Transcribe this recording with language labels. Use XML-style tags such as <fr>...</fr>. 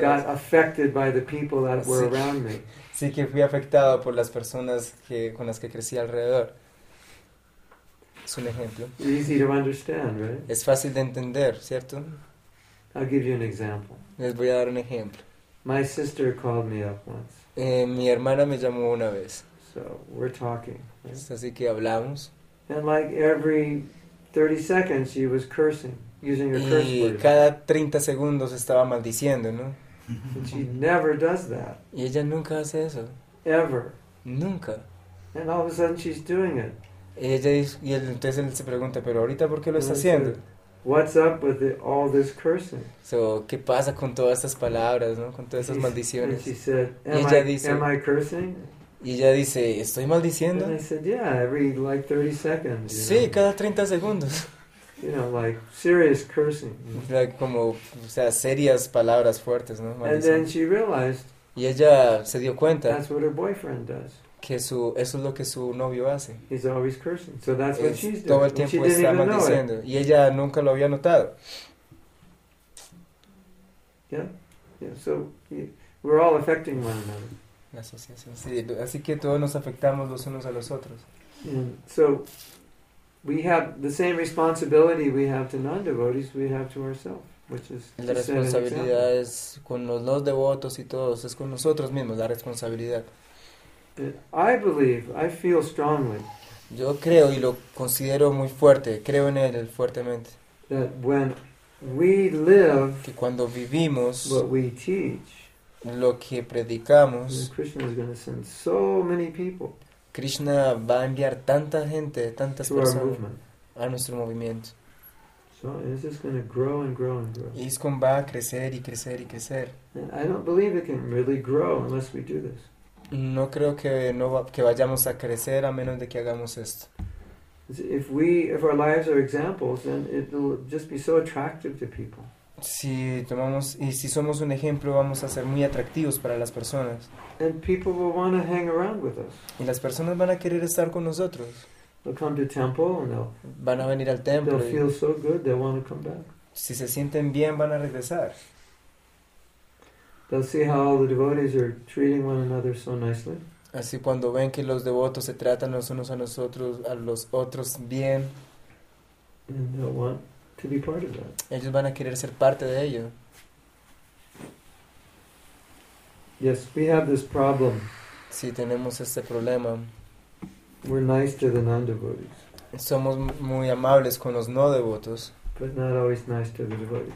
<en>I got affected by the people that were around me.</en> <es>Sí que fui afectado por las personas que con las que crecí alrededor. Es un ejemplo.</es> <en>Easy to understand, right?</en> <es>Es fácil de entender, ¿cierto?</es> <en>I'll give you an example.</en> <es>Les voy a dar un ejemplo.</es> <en>My sister called me up once.</en> <es>Mi hermana me llamó una vez.</es> <en>So we're talking. Right?</en> <es>Así que hablamos.</es> <en>And like every 30 seconds she was cursing, using her</en> <es>y</es> <en>curse word.</en> <es>Y cada 30 segundos estaba maldiciendo, ¿no?</es> <en>And she never does that.</en> <es>Y ella nunca hace eso.</es> <en>Ever.</en> <es>Nunca.</es> <en>And all of a sudden she's doing it.</en> <es>Y ella dice, y entonces él se pregunta, ¿pero ahorita por qué lo</es> <en>and</en> <es>está haciendo?</es> <en>What's up with all this cursing?</en> <es>So, ¿qué pasa con todas estas palabras, no? Con todas esas maldiciones.</es> <en>And she said, am I cursing?</en> <es>Y ella dice, ¿estoy maldiciendo?</es> <en>And I said, yeah, every like 30 seconds.</en> <es>Sí, cada 30 segundos.</es> <en>You know, like serious cursing.</en> <es>Like, como, o sea, serias palabras fuertes, ¿no?</es> <en>And then she realized.</en> <es>Y ella se dio cuenta.</es> <en>That's what her boyfriend does.</en> <es>Que su, eso es lo que su novio hace.</es> <en>He's always cursing. So that's what she's doing.</en> <es>Todo el tiempo está maldiciendo. Y ella nunca lo había notado.</es> <en>Yeah. So we're all affecting one another.</en> <es>La asociación. Sí, así que todos nos afectamos los unos a los otros.</es> <en>And so we have the same responsibility we have to non-devotees, we have to ourselves.</en> <es>La responsabilidad es con los no devotos y todos, es con nosotros mismos la responsabilidad.</es> <en>I believe, I feel strongly.</en> <es>Yo creo y lo considero muy fuerte, creo en él fuertemente.</es> <en>That when we live,</en> <es>que cuando vivimos</es> <en>what we teach,</en> <es>lo que predicamos,</es> <en>Krishna is going to send so many people.</en> <es>Krishna va a enviar tanta gente, tantas personas a nuestro movimiento.</es> <en>It's just going to grow and grow and grow.</en> <es>Iscom va a crecer y crecer y crecer.</es> <en>I don't believe it can really grow unless we do this.</en> <es>No creo que no que vayamos a crecer a menos de que hagamos esto.</es> <en>If our lives are examples, then it will just be so attractive to people.</en> <es>Si tomamos y si somos un ejemplo, vamos a ser muy atractivos para las personas.</es> <en>And people will want to hang around with us.</en> <es>Y las personas van a querer estar con nosotros.</es> <en>They'll come to temple and they'll,</en> <es>van a venir al templo.</es> <en>They'll feel so good, they'll want to come back.</en> <es>Si se sienten bien, van a regresar.</es> <en>They'll see how all the devotees are treating one another so nicely.</en> <es>Así cuando ven que los devotos se tratan los unos a nosotros, a los otros bien.</es> <en>And they'll want to be part of that.</en> <es>Ellos van a querer ser parte de ello.</es> <en>Yes, we have this problem.</en> <es>Sí, tenemos este problema.</es> <en>We're nice to the non-devotees.</en> <es>Somos muy amables con los no devotos.</es> <en>But not always nice to the devotees.</en>